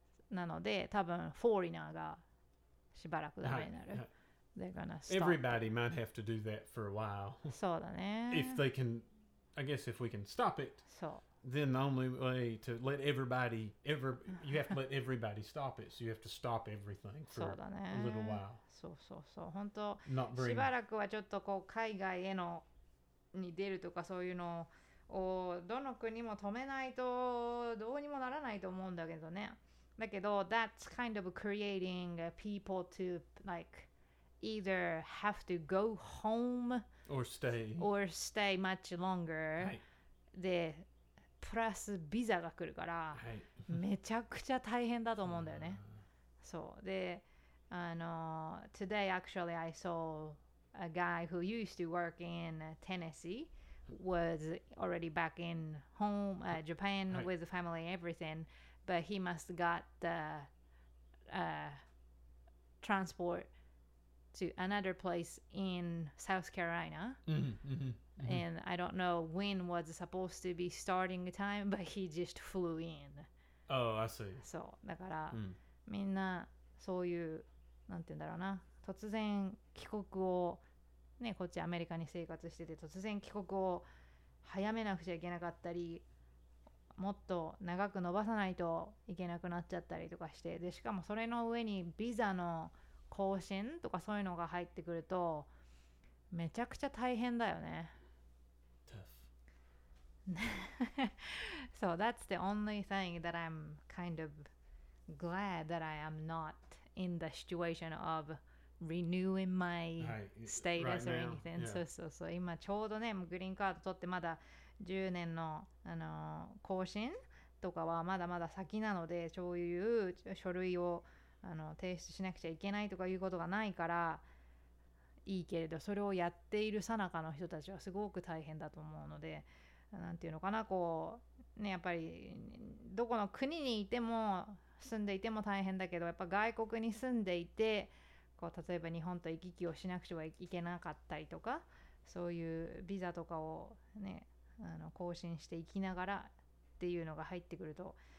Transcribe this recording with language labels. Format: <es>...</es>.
<ja>なので、多分フォーリナーがしばらくダメになる。</ja> <en>They're gonna stop. Everybody might have to do that for a while.</en> <ja>そうだね。</ja> <en>If they can, I guess if we can stop it,</en> <ja>そう。</ja> <en>Then the only way to let everybody ever, you have to let everybody stop it. So you have to stop everything for a little while.</en> <ja>そうそうそう。本当、</ja> <en>Not very</en> <ja>しばらくはちょっとこう海外へのに出るとかそういうのをどの国も止めないとどうにもならないと思うんだけどね。</ja> <en>だけど that's kind of creating people to like either have to go home or stay much longer、</en> <ja>はい、でプラスビザが来るから、はい、めちゃくちゃ大変だと思うんだよね。</ja> <en>そうで、あの today actually I saw a guy who used to work in TennesseeWas already back in home at Japan with the family and everything, but he must got the transport to another place in South Carolina. Mm-hmm, mm-hmm, mm-hmm. And I don't know when was supposed to be starting time, but he just flew in. Oh, I see.</en> <ja>So, だから、みんなそういう、なんて言うんだろうな、突然帰国をね、こっちアメリカに生活してて突然帰国を早めなくちゃいけなかったり、もっと長く延ばさないといけなくなっちゃったりとかして、でしかもそれの上にビザの更新とかそういうのが入ってくるとめちゃくちゃ大変だよね。</ja> <en>Tough. So that's the only thing that I'm kind of glad that I am not in the situation ofrenewing my status or anything. yeah.</en> <ja>そうそうそう、今ちょうどねグリーンカード取ってまだ10年の、更新とかはまだまだ先なので、そういう書類を、提出しなくちゃいけないとかいうことがないからいいけれど、それをやっている最中の人たちはすごく大変だと思うので、なんていうのかな、こうね、やっぱりどこの国にいても住んでいても大変だけど、やっぱ外国に住んでいて、こう例えば日本と行き来をしなくてはいけなかったりとか、そういうビザとかを、ね、更新していきながらっていうのが入ってくると、</ja>